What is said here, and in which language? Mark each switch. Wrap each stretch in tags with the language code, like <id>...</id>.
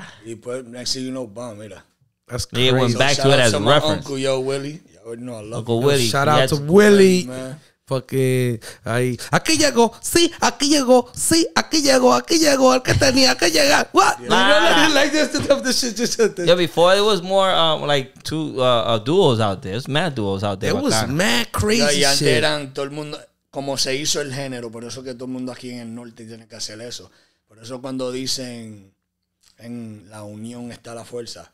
<es>Y después,</es> <en>next thing you know, bam,</en> <es>mira.</es> <en>That's crazy. Yeah, it went back to it as a reference. Uncle, yo, Willie. You already know I love Uncle Willie. Shout out to Willie. Man.</en> <es>Porque ahí, aquí llegó, sí, aquí llegó, sí, aquí llegó, el que tenía que llegar.</es> <en>What? Yeah. You know, like this, the shit just out there. Yeah, before it was more like two duos out there. It was mad duos out there. It was mad crazy shit.</en> <es>Y antes eran todo el mundo... Como se hizo el género, por eso que todo el mundo aquí en el norte tiene que hacer eso. Por eso cuando dicen en la unión está la fuerza.</es>